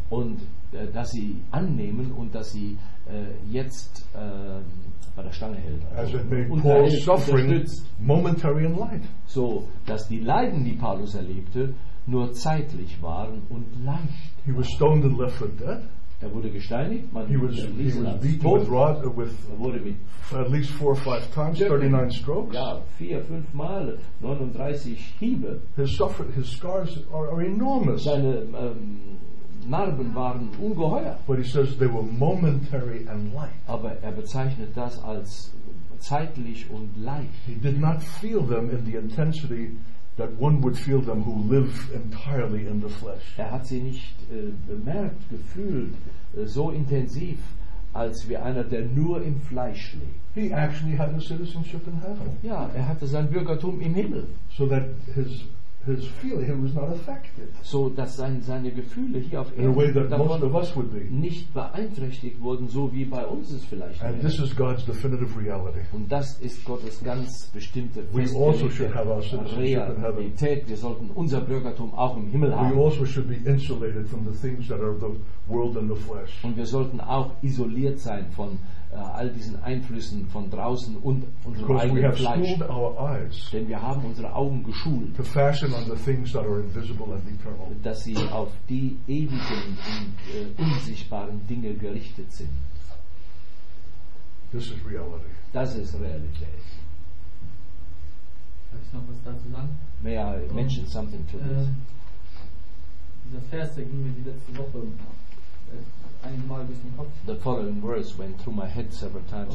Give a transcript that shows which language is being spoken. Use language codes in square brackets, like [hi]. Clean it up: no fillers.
[de] Und dass sie annehmen und dass sie jetzt bei der Stange hält. [en] As it may Paul's suffering momentary in light. [de] So, dass die Leiden, die Paulus erlebte, nur zeitlich waren und leicht. [en] He was stoned and left for dead. [de] Er wurde gesteinigt, man [en] he was, [de] ließ [en] he was [de] ihn [en] beaten with rod with at least 4 or 5 times, 39 strokes. [de] Ja, 4-5 Mal, 39 Hiebe. [en] His scars are enormous. [de] Seine Narben waren ungeheuer. [en] But he says they were momentary and light. [de] Aber er bezeichnet das als zeitlich und leicht. [en] He did not feel them in the intensity that one would feel them who live entirely in the flesh. [de] Er hat sie nicht bemerkt, gefühlt, so intensiv, als wie einer, der nur im Fleisch lebt. [en] He actually had a citizenship in heaven. [de] Ja, er hatte sein Bürgertum im Himmel. [en] So that his feeling, he was not affected. [de] So dass seine Gefühle hier auf [en] in a way that most of us would be. [de] Nicht beeinträchtigt wurden, so wie bei uns es vielleicht [en] and [de] wäre. [en] This is God's definitive reality. [de] Und das ist Gottes ganz bestimmte [en] we also should have our citizenship [de] Realität. [en] In heaven. [de] Wir sollten unser Bürgertum auch im Himmel [en] we [de] haben. [en] We also should be insulated from the things that are the world and the flesh. [de] Und wir sollten auch isoliert sein von all diesen Einflüssen von draußen und unserem [en] because [de] eigenen [en] we have [de] Fleisch. [en] Schooled our eyes, [de] denn wir haben unsere Augen geschult, [en] to fashion on the things that are invisible and eternal. [de] Dass sie auf die ewigen und unsichtbaren Dinge gerichtet sind. [en] This is reality. [de] Das ist Realität. Darf ich noch was dazu sagen? [en] May I mention something to this? [de] Dieser Vers, der ging mir die letzte Woche einmal durch den Kopf. [en] The following verse went through my head several times